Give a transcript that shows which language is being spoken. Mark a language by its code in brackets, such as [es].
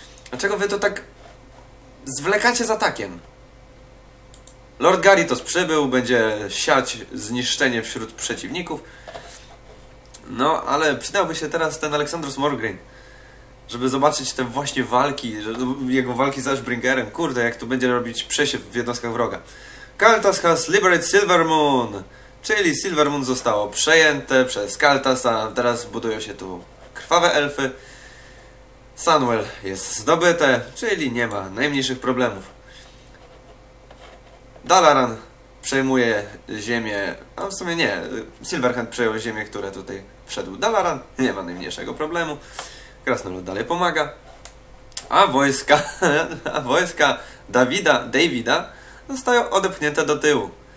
[pl] Dlaczego wy to tak zwlekacie z atakiem? Lord Garitos przybył, będzie siać zniszczenie wśród przeciwników. No, ale przydałby się teraz ten Aleksandros Morgraine. Żeby zobaczyć te właśnie walki, jego walki z Ashbringerem. Kurde, jak to będzie robić przesiew w jednostkach wroga. [en] Kaltas has liberated Silvermoon. [pl] Czyli Silvermoon zostało przejęte przez Kaltasa. Teraz budują się tu krwawe elfy. Sunwell jest zdobyte, czyli nie ma najmniejszych problemów. Dalaran przejmuje ziemię, a w sumie nie, Silverhand przejął ziemię, które tutaj wszedł Dalaran, nie ma najmniejszego problemu, Krasnolud dalej pomaga, a wojska Davida zostają odepchnięte do tyłu.